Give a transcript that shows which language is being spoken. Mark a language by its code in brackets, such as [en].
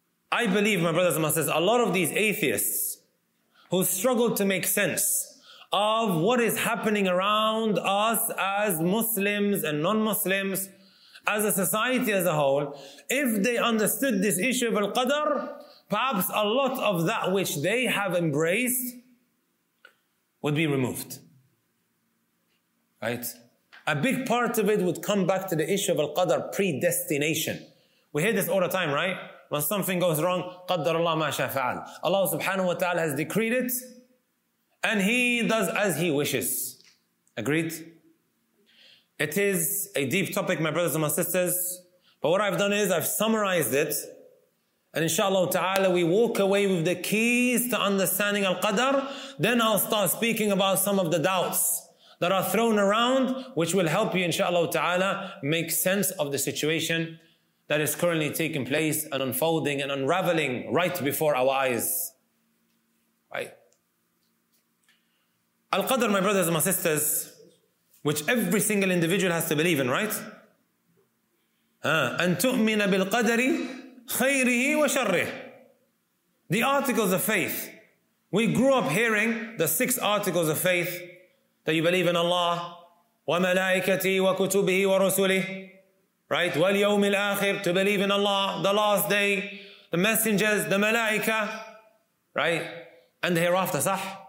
[en] I believe, my brothers and my sisters, a lot of these atheists who struggle to make sense of what is happening around us as Muslims and non-Muslims, as a society as a whole, if they understood this issue of Al-Qadr, perhaps a lot of that which they have embraced would be removed. Right? A big part of it would come back to the issue of Al-Qadr, predestination. We hear this all the time, right? When something goes wrong, [ar] قدر الله ما شاء فعل. [en] Allah subhanahu wa ta'ala has decreed it, and He does as He wishes. Agreed? It is a deep topic, my brothers and my sisters. But what I've done is I've summarized it. And inshallah ta'ala, we walk away with the keys to understanding Al-Qadr. Then I'll start speaking about some of the doubts that are thrown around, which will help you inshallah ta'ala make sense of the situation that is currently taking place and unfolding and unraveling right before our eyes. Right? Al-Qadr, my brothers and my sisters, which every single individual has to believe in, right? [ar] أن تؤمن بالقدر خيره وشره. [en] The articles of faith. We grew up hearing the six articles of faith that you believe in Allah, [ar] وملائكته وكتبه ورسله, [en] right? [ar] واليوم الآخر, [en] to believe in Allah, the last day, the messengers, the malaika, right? And the hereafter, [ar] صح?